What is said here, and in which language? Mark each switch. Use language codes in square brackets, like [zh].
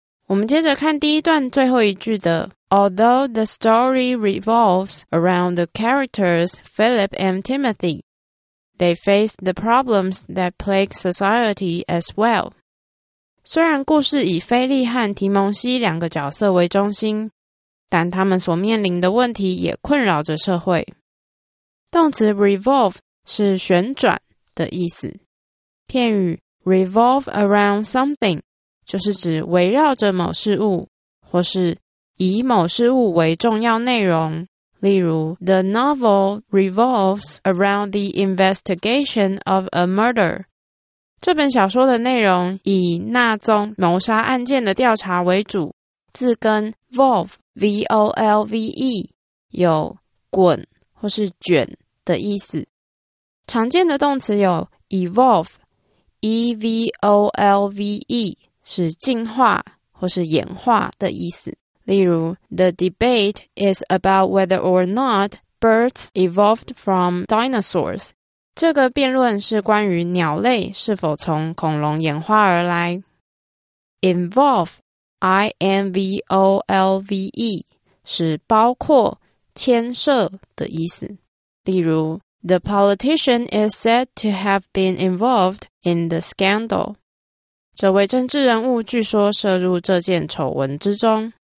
[zh] 我们接着看第一段最后一句的 [en] Although the story revolves around the characters Philip and Timothy, they face the problems that plague society as well. [zh] 虽然故事以菲利和提蒙西两个角色为中心，但他们所面临的问题也困扰着社会。动词 revolve 是旋转的意思。片语 [en] revolve around something, [zh] 就是指围绕着某事物，或是以某事物为重要内容。例如 [en] The novel revolves around the investigation of a murder. [zh] 这本小说的内容以那宗谋杀案件的调查为主。字根 volve, V-O-L-V-E, 有滚或是卷的意思。常见的动词有 evolve, E-V-O-L-V-E, 是进化或是演化的意思。例如 [en] The debate is about whether or not birds evolved from dinosaurs. [zh] 这个辩论是关于鸟类是否从恐龙演化而来。 Involve, I-N-V-O-L-V-E, 是包括、牵涉的意思。例如 [en] The politician is said to have been involved in the scandal. [zh] 这位政治人物据说涉入这件丑闻之中。